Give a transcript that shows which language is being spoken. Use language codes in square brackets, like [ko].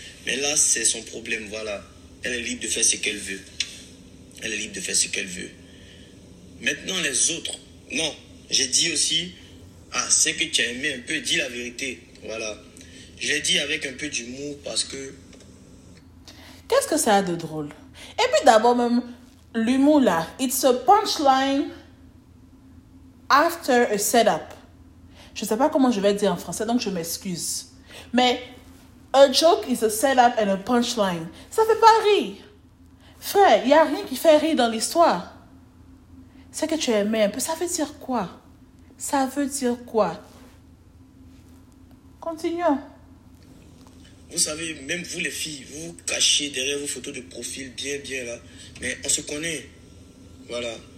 [fr] Mais là, c'est son problème, voilà. Elle est libre de faire ce qu'elle veut. Elle est libre de faire ce qu'elle veut. Maintenant, les autres. Non, j'ai dit aussi, ah, c'est que tu as aimé un peu, dis la vérité. Voilà. J'ai dit avec un peu d'humour parce que... Qu'est-ce que ça a de drôle? Et puis d'abord même... L'humour là, [en] it's a punchline after a setup. [fr] Je ne sais pas comment je vais dire en français, donc je m'excuse. Mais [en] a joke is a setup and a punchline. [fr] Ça ne fait pas rire. Frère, il n'y a rien qui fait rire dans l'histoire. C'est que tu aimais un peu. Ça veut dire quoi? Ça veut dire quoi? Continuons. Vous savez, même vous les filles, vous vous cachez derrière vos photos de profil bien, bien là. Mais on se connaît. Voilà.